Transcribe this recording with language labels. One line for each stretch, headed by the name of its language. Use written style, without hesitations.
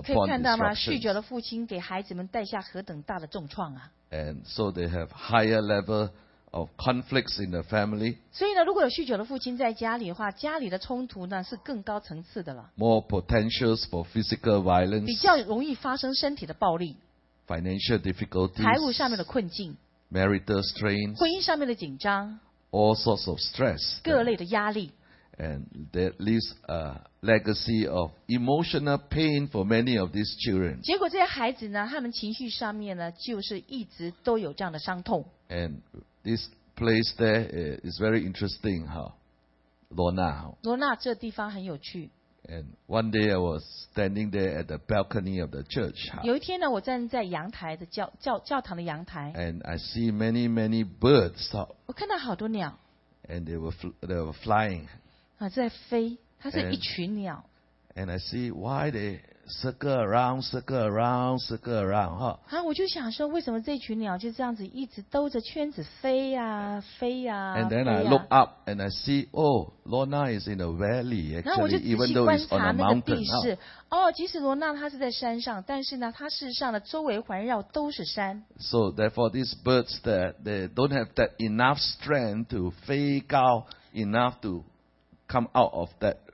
Chinese: 你可以看到吗？酗酒的父亲给孩子们带下何等大的重创啊！
English: And so they have higher level of conflicts in the family.
Chinese: 所以呢，如果有酗酒的父亲在家里的话，家里的冲突呢是更高层次的了。
English: More potentials for physical violence.
Chinese: 比较容易发生身体的暴力。
English: Financial difficulties.
Chinese: 财务上面的困境。
English: Marital strain.
Chinese: 婚姻上面的紧张。
English: All sorts of stress.
Chinese: 各类的压力。
English: And that leaves a legacy of emotional pain for many of these children.
Chinese: 结果这些孩子呢，他们情绪上面呢，就是一直都有这样的伤痛。
English: And this place there is very interesting, huh? Lorna.
Chinese: Lorna, 这地方很有趣。
English: And one day I was standing there at the balcony of the church.
Chinese: 有一天呢，我站在阳台的教堂的阳台。
English: And I see many birds.
Chinese: 我看到好多鸟。
English: And they were flying.
Chinese: 啊，在飞，它是一群鸟。
English: And I see why they circle around, huh?
Chinese: 啊，我就想说，为什么这群鸟就这样子一直兜着圈子飞呀、啊、飞呀、啊、
English: And then I look up and I see, oh, Lorna is in a valley. Actually, even though it's on a mountain,
Chinese: 那我就仔细观察那个地势。哦，即使罗娜她是在山上，但是呢，她事实上的周围环绕都是山。
English: So therefore, these birds that they don't have that enough strength to
Chinese: 飞高
English: enough to come out of that valley.